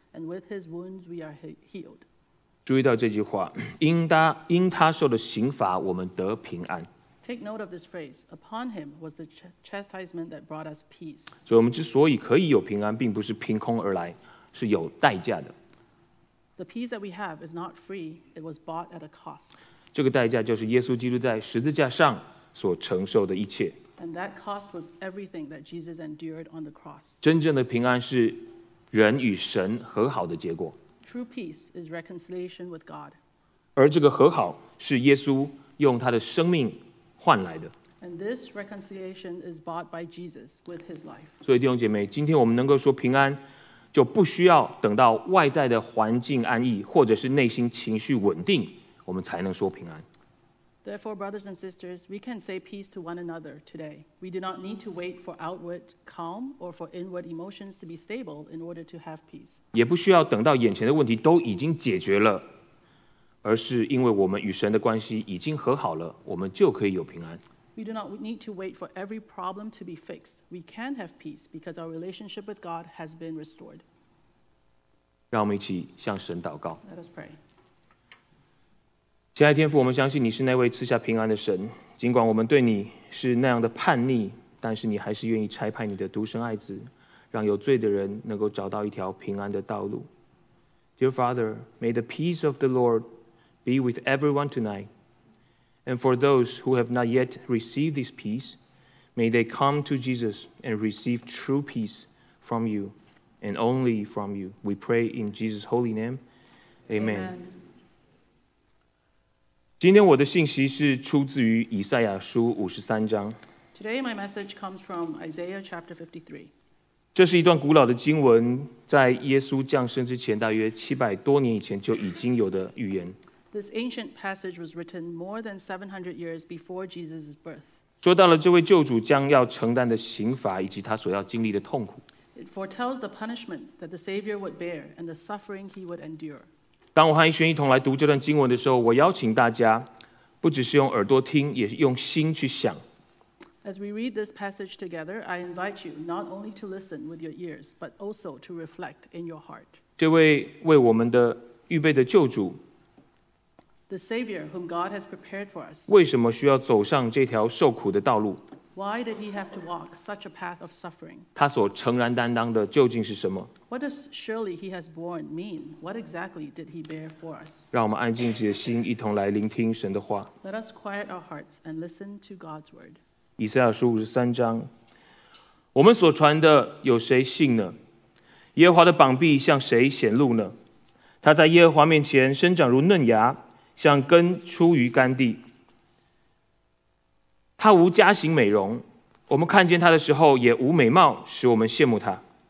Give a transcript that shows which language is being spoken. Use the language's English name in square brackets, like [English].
[English] And with his wounds we are healed. [Chinese] 注意到这句话，因他受的刑罚，我们得平安。 [English] Take note of this phrase. Upon him was the chastisement that brought us peace. [Chinese] 所以，我们之所以可以有平安，并不是凭空而来，是有代价的。 [English] The peace that we have is not free. It was bought at a cost. [Chinese] 这个代价就是耶稣基督在十字架上所承受的一切。 [English] And that cost was everything that Jesus endured on the cross. [Chinese] 真正的平安是。人与神和好的结果。 [English] True peace is reconciliation with God. [Chinese] 而这个和好是耶稣用他的生命换来的。 [English] And this reconciliation is bought by Jesus with his life. [Chinese] 所以弟兄姐妹，今天我们能够说平安，就不需要等到外在的环境安逸，或者是内心情绪稳定，我们才能说平安。 [English] Therefore, brothers and sisters, we can say peace to one another today. We do not need to wait for outward calm or for inward emotions to be stable in order to have peace. [Chinese] 也不需要等到眼前的问题都已经解决了，而是因为我们与神的关系已经和好了，我们就可以有平安。 [English] We do not need to wait for every problem to be fixed. We can have peace because our relationship with God has been restored. [Chinese] 让我们一起向神祷告。 [English] Let us pray. [Chinese] 亲爱的天父，我们相信你是那位赐下平安的神。尽管我们对你是那样的叛逆，但是你还是愿意差派你的独生爱子，让有罪的人能够找到一条平安的道路。 [English] Dear Father, may the peace of the Lord be with everyone tonight. And for those who have not yet received this peace, may they come to Jesus and receive true peace from you, and only from you. We pray in Jesus' holy name. Amen. [Chinese] 今天我的信息是出自于以赛亚书53章。 [English] Today my message comes from Isaiah chapter 53. [Chinese] 这是一段古老的经文，在耶稣降生之前大约700多年以前就已经有的预言。 [English] This ancient passage was written more than 700 years before Jesus' birth. [Chinese] 说到了这位救主将要承担的刑罚以及他所要经历的痛苦。 [English] It foretells the punishment that the Savior would bear and the suffering he would endure. [Chinese] 当我和一轩一同来读这段经文的时候，我邀请大家不只是用耳朵听，也用心去想。 [English] As we read this passage together, I invite you not only to listen with your ears, but also to reflect in your heart. [Chinese] 这位为我们的预备的救主， [English] The Savior whom God has prepared for us. [Chinese] 为什么需要走上这条受苦的道路？ [English] Why did he have to walk such a path of suffering? [Chinese] 他所诚然担当的究竟是什么？ [English] What does surely he has borne mean? What exactly did he bear for us? [Chinese] 让我们安静自己的心，一同来聆听神的话。 [English] Let us quiet our hearts and listen to God's word. [Chinese] 以赛亚书五十三章，我们所传的有谁信呢？耶和华的膀臂向谁显露呢？他在耶和华面前生长如嫩芽，像根出于干地。他无家型美容，我们看见他的时候也无美貌，使我们羡慕他。